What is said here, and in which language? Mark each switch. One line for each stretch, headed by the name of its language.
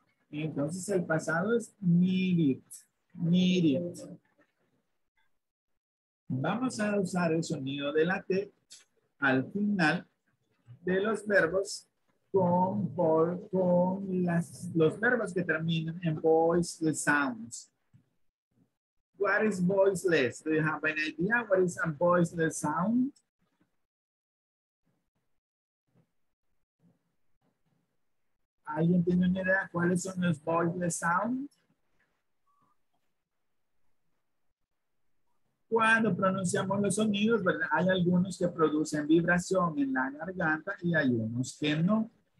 Spanish: Entonces el pasado es needed. Needed. Vamos a usar el sonido de la T al final de los verbos con, por, con las, los verbos que terminan en voiceless sounds.
English: What is voiceless? Do you have an idea what is a voiceless sound?
Spanish: ¿Alguien tiene una idea cuáles son los voiceless sounds? Cuando pronunciamos los sonidos, ¿verdad? Hay algunos que producen vibración en la garganta y hay unos que no.